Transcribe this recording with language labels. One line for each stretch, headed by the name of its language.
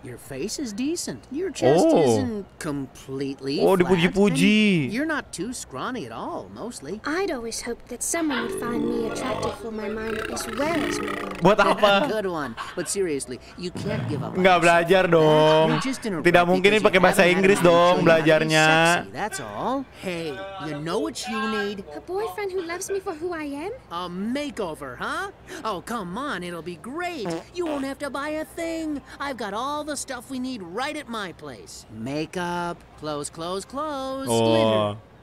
English: Your face is decent. Your chest isn't completely flat.
Indonesian: Dipuji-puji.
English: You're not too scrawny at all, mostly. I'd always hoped that someone would find me attractive for my mind as well as my body.
Indonesian: Buat apa?
English: Good one. But seriously, you can't give up.
Indonesian: Nggak belajar dong. Tidak mungkin ini pakai bahasa Inggris dong belajarnya.
English: Sexy, that's all. Hey, you know what you need? A boyfriend who loves me for who I am? A makeover, huh? Oh, come on, it'll be great. You won't have to buy a thing. I've got all the stuff we need right at my place. Makeup, clothes, glitter.